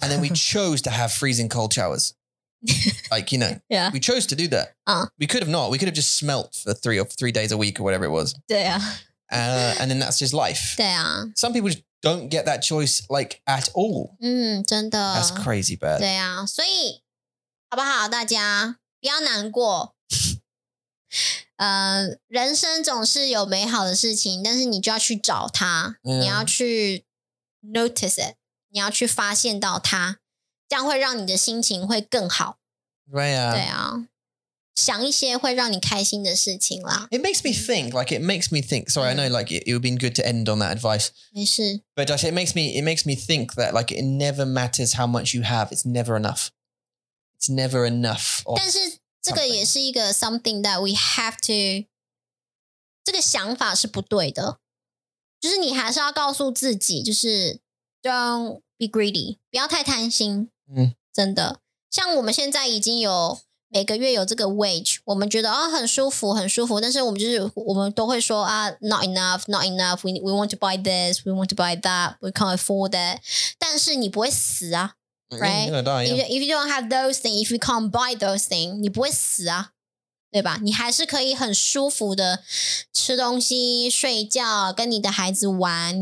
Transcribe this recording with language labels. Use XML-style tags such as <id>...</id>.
<en>And then we chose to have freezing cold showers. Like, you know, yeah. We chose to do that. We could have not. We could have just smelt for three days a week or whatever it was.</en> <zh>对啊.</zh> <en>And then that's just life.</en> <zh>对啊.</zh> <en>Some people just don't get that choice like at all.</en> <zh>真的.</zh> <en>That's crazy bad.</en> <zh>对啊. 所以好不好大家不要难过。人生总是有美好的事情但是你就要去找它。你要去</zh> <en>notice it.</en> <zh>你要去发现到它，这样会让你的心情会更好。对啊，对啊，想一些会让你开心的事情啦。</zh> <en>It makes me think, like it makes me think. Sorry, I know, like it would have been good to end on that advice.</en> <zh>没事。</zh> <en>But Josh, it makes me think that like it never matters how much you have. It's never enough. It's never enough.</en> <zh>但是这个也是一个</zh> <en>something that we have to.</en> <zh>这个想法是不对的。就是你还是要告诉自己，就是</zh> <en>don't be greedy，</en> <zh>不要太贪心。真的，像我们现在已经有每个月有这个 wage， 我们觉得啊、哦、很舒服，很舒服。但是我们就是我们都会说啊</zh> <en>，not enough， not enough， we want to buy this， we want to buy that， we can't afford that。</en> <zh>但是你不会死啊 ，right？</zh> <en>If you don't have those things， if you can't buy those things，</en> <zh>你不会死啊。对吧？你还是可以很舒服的吃东西、睡觉、跟你的孩子玩。</zh>